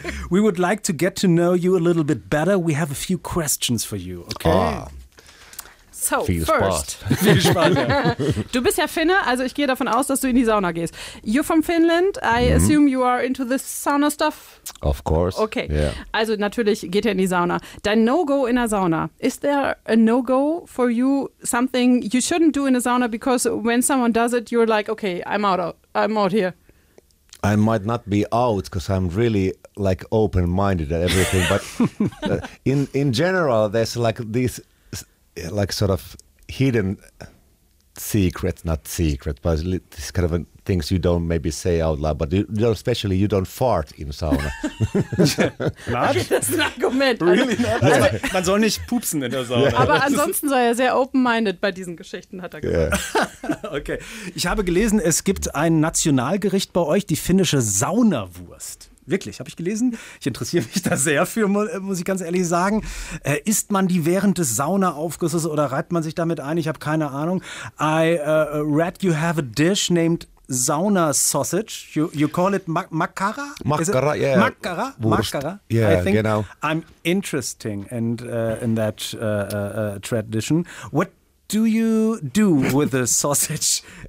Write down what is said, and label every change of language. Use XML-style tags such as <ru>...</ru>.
<en>We would like to get to know you a little bit better. We have a few questions for you, okay? Ah. So,</en> <de>viel</de> <en>first.</en> <de>Spaß. Viel Spaß, ja. Du bist ja Finne, also ich gehe davon aus, dass du in die Sauna gehst.</de> <en>You're from Finland. I assume you are into this sauna stuff. Of course. Okay. Yeah.</en> <de>Also natürlich geht er in die Sauna. Dein No-Go in der Sauna.</de> <en>Is there a No-Go for you? Something you shouldn't do in a sauna because when someone does it, you're like, okay, I'm out here. I might not be out because I'm really like open-minded at everything, but in general, there's like this like sort of hidden secret, not secret, but this kind of a things you don't maybe say out loud, but especially you don't fart in sauna.</en> <de>Okay, das ist ein Argument.</de> <en>Really?</en> <de>Also, man soll nicht pupsen in der Sauna.</de> <en>Yeah.</en> <de>Aber ansonsten sei er sehr open-minded bei diesen Geschichten, hat er gesagt.</de> <en>Yeah. Okay.</en> <de>Ich habe gelesen, es gibt ein Nationalgericht bei euch, die finnische Saunawurst. Wirklich, habe ich gelesen. Ich interessiere mich da sehr für, muss ich ganz ehrlich sagen. Isst man die während des Saunaaufgusses oder reibt man sich damit ein? Ich habe keine Ahnung.</de> <en>I read you have a dish named Sauna Sausage. You call it Makara? Makara, yeah. Makara? Makara? Yeah, I think</en> <de>genau.</de> <en>I'm interesting in that tradition. What do you do with the sausage?</en>